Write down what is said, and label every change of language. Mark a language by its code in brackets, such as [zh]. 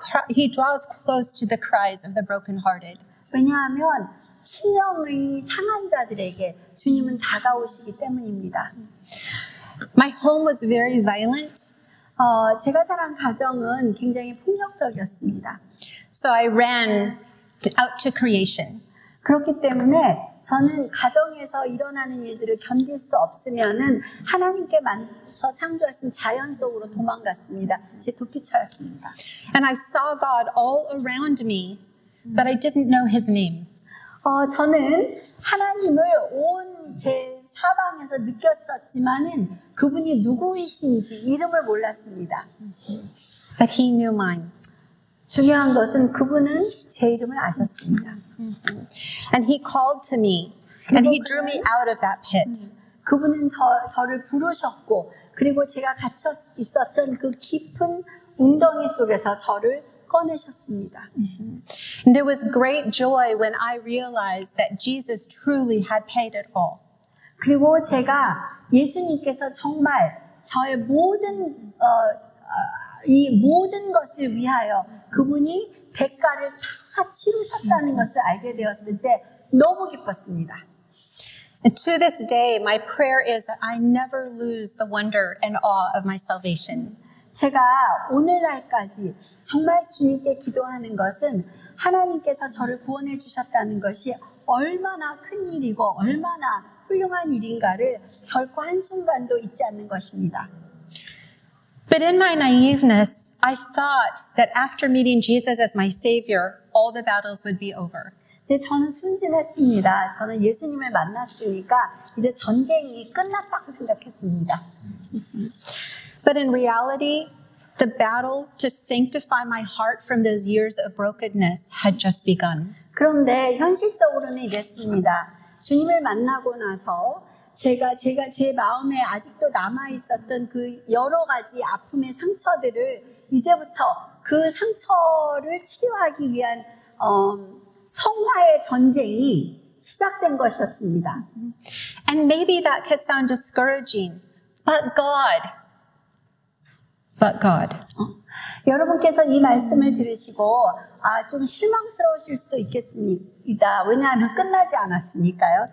[en] He draws close to the cries of the brokenhearted. [ko] 왜냐하면 심령의 상한 자들에게 주님은 다가오시기 때문입니다. [en] My home was very violent. [ko] 제가 살았던 가정은 굉장히 폭력적이었습니다. [en] So I ran out to creation. [ko] 그렇기 때문에 저는 가정에서 일어나는 일들을 견딜 수 없으면은 하나님께서 창조하신 자연 속으로 도망갔습니다. 제 도피처였습니다. [en] And I saw God all around me, but I didn't know His name. [ko] 저는 하나님을 온 제 사방에서 느꼈었지만은 그분이 누구이신지 이름을 몰랐습니다. [en] But He knew mine. [ko] 중요한 것은 그분은 제 이름을 아셨습니다. [en] And He called to me, and He drew me out of that pit. [ko] 그분은 저를 부르셨고, 그리고 제가 갇혀 있었던 그 깊은 웅덩이 속에서 저를 꺼내셨습니다. [en] And there was great joy when I realized that Jesus truly had paid it all. [ko] 그리고 제가 예수님께서 정말 저의 모든 이 모든 것을 위하여 그분이 대가를 다 치르셨다는 것을 알게 되었을 때 너무 기뻤습니다. [en] And to this day, my prayer is that I never lose the wonder and awe of my salvation. [ko] 제가 오늘날까지 정말 주님께 기도하는 것은 하나님께서 저를 구원해 주셨다는 것이 얼마나 큰 일이고 얼마나 훌륭한 일인가를 결코 한순간도 잊지 않는 것입니다. [en] But in my naiveness, I thought that after meeting Jesus as my Savior, all the battles would be over. [ko] 네, 저는 순진했습니다. 저는 예수님을 만났으니까 이제 전쟁이 끝났다고 생각했습니다. [en] But in reality, the battle to sanctify my heart from those years of brokenness had just begun. [ko] 그런데 현실적으로는 이랬습니다. 주님을 만나고 나서 제가 제 마음에 아직도 남아 있었던 그 여러 가지 아픔의 상처들을 이제부터 그 상처를 치유하기 위한 성화의 전쟁이 시작된 것이었습니다. [en] And maybe that could sound discouraging, but God. But God. [ko] 여러분께서 이 말씀을 들으시고 좀 실망스러우실 수도 있겠습니다. 왜냐하면 끝나지 않았으니까요.